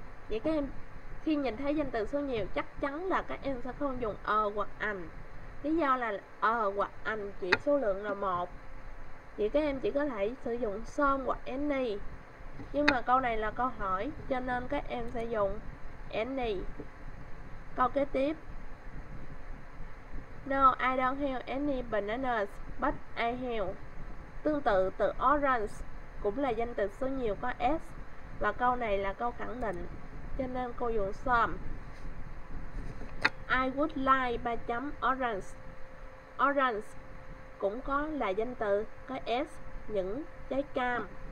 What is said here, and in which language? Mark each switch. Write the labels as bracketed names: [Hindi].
[Vietnamese] Vậy các em khi nhìn thấy danh từ số nhiều chắc chắn là các em sẽ không dùng a hoặc an. Lý do là a hoặc an chỉ số lượng là 1. Vậy các em chỉ có thể sử dụng some hoặc any. Nhưng mà câu này là câu hỏi cho nên các em sẽ dùng any. Câu kế tiếp: [English] No, I don't have any bananas, but I have. [Vietnamese] Tương tự từ orange cũng là danh từ số nhiều có s, và câu này là câu khẳng định cho nên cô dùng some. [English] I would like 3 orange. [Vietnamese] Orange cũng có là danh từ có s, những trái cam.